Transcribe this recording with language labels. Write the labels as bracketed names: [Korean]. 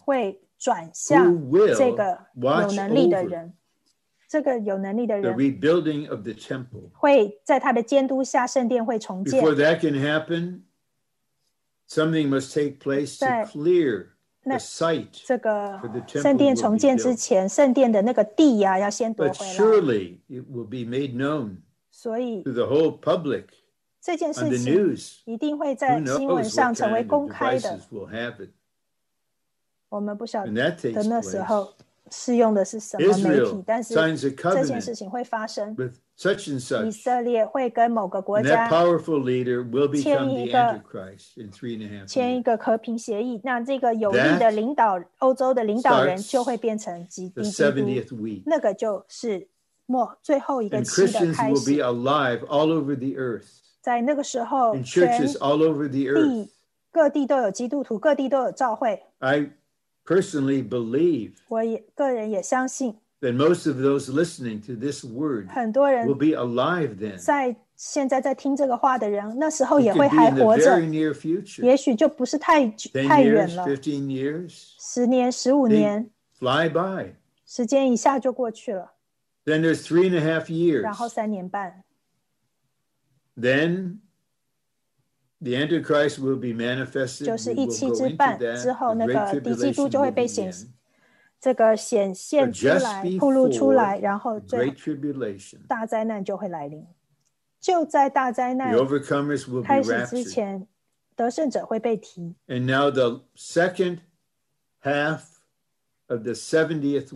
[Chinese] 会转向这个有能力的人，这个有能力的人 [English] ，the rebuilding of the temple [Chinese] 会在他的监督下，圣殿会重建。 [English] Before that can happen. Something must take place to clear the site for the temple to be built. [Chinese] 圣殿重建之前，圣殿的那个地呀，要先夺回来。 [English] But surely it will be made known to the whole public. [Chinese] 这件事情一定会在新闻上成为公开的。我们不晓得那时候是用的是什么媒体，但是这件事情会发生。 [English] Such and such. [Chinese] 以色列会跟某个国家 [English] And that powerful leader will become the Antichrist in 3.5 years. [Chinese] 签一个和平协议，那这个有力的领导，欧洲的领导人就会变成基督。 [English] The 70th week. [Chinese] 那个就是末最后一个期的开始。 [English] Christians will be alive all over the earth. [Chinese] 在那个时候，全 [English] And churches all over the earth. [Chinese] 各地都有基督徒，各地都有教会。 [English] I personally believe. [Chinese] 我也个人也相信。 [English] Then most of those listening to this word will be alive then. [Chinese] 在现在在听这个话的人，那时候也会还活着。 [English] It could be in the very near future. [Chinese] 也许就不是太远了。 [English] 10 years, 15 years. 10 years, 15 years. Fly by. [Chinese] 时间一下就过去了。 [English] Then there's 3.5 years. [Chinese] 然后三年半。 [English] Then the Antichrist will be manifested. [Chinese] 就是一期之半之后，那个敌基督就会被显现。这个显现出来，暴露出来，然后最大灾难就会来临。就在大灾难开始之前，得胜者会被提。 [English] And now the second half of the 70th week,